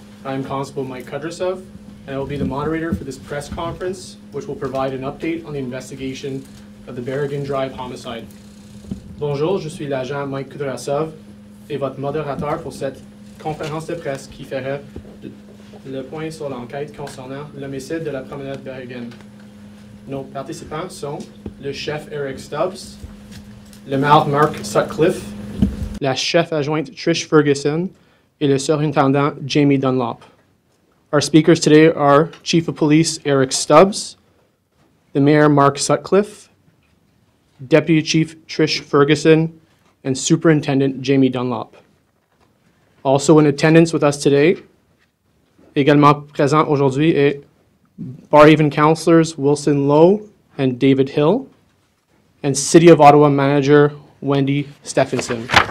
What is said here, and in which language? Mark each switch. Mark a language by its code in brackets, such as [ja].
[en] I'm Constable Mike Kudrasov, and I will be the moderator for this press conference, which will provide an update on the investigation of the Berrigan Drive homicide. [fr] Bonjour, je suis l'agent Mike Kudrasov, et votre modérateur pour cette conférence de presse qui fera le point sur l'enquête concernant l'homicide de la promenade Berrigan. Nos participants sont le chef Eric Stubbs, le maire Mark Sutcliffe, la chef adjointe Trish Ferguson, et le surintendant Jamie Dunlop. [en] Our speakers today are Chief of Police Eric Stubbs, the Mayor Mark Sutcliffe, Deputy Chief Trish Ferguson, and Superintendent Jamie Dunlop. Also in attendance with us today, [fr] également présent aujourd'hui, [en] est Barhaven Councillors Wilson Lowe and David Hill, and City of Ottawa Manager Wendy Stephenson.